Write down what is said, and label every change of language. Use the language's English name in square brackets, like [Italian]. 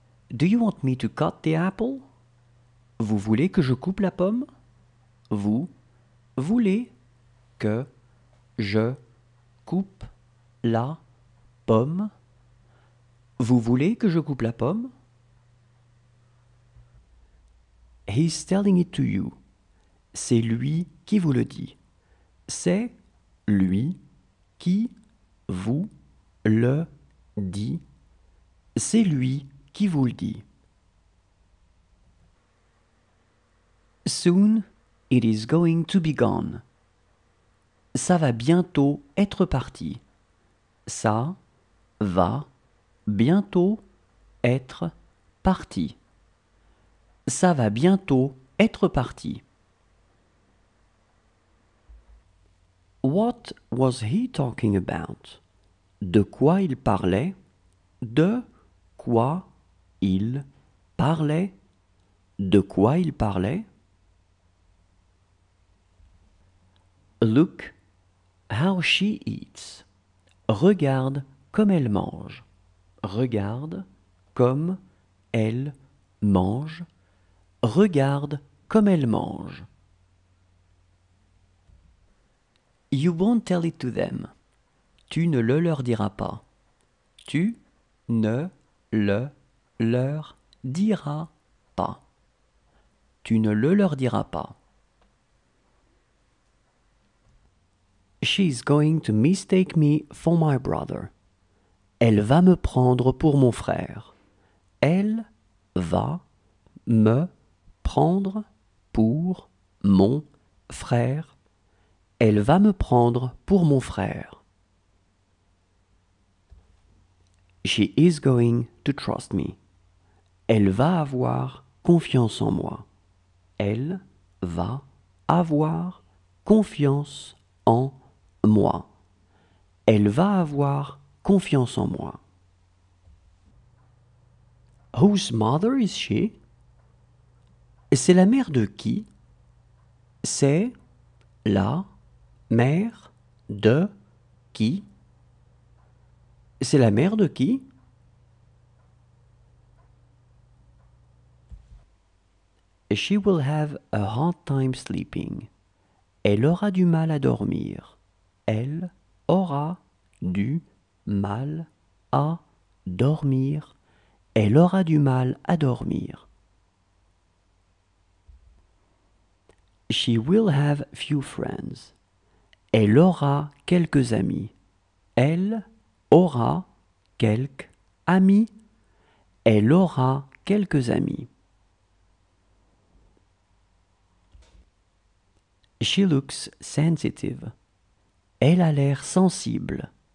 [English] Do you want me to cut the apple? [French] Vous voulez que je coupe la pomme? Vous voulez que je coupe la pomme? Vous voulez que je coupe la pomme? [English] He's telling it to you. [French] C'est lui qui vous le dit. C'est lui qui vous le dit. C'est lui qui vous le dit. [English] Soon it is going to be gone. [French] Ça va bientôt être parti. Ça va bientôt être parti. Ça va bientôt être parti. [English] What was he talking about? [French] De quoi il parlait? De quoi il parlait? De quoi il parlait? [English] Look how she eats. [French] Regarde comme elle mange. Regarde comme elle mange. Regarde comme elle mange. [English] You won't tell it to them. [French] Tu ne le leur diras pas. Tu ne le leur diras pas. Tu ne le leur diras pas. [English] She's going to mistake me for my brother. [French] Elle va me prendre pour mon frère. Elle va me prendre pour mon frère. Elle va me prendre pour mon frère. [English] She is going to trust me. [French] Elle va avoir confiance en moi. Elle va avoir confiance en moi. Elle va avoir confiance en moi. [English] Whose mother is she? [French] C'est la mère de qui? C'est la mère de qui? C'est la mère de qui? [English] She will have a hard time sleeping. [French] Elle aura du mal à dormir. Elle aura du mal à dormir. Elle aura du mal à dormir. [English] She will have few friends. [French] Elle aura quelques amis. Elle aura quelques amis. Elle aura quelques amis. [English] She looks sensitive. [French] Elle a l'air sensible.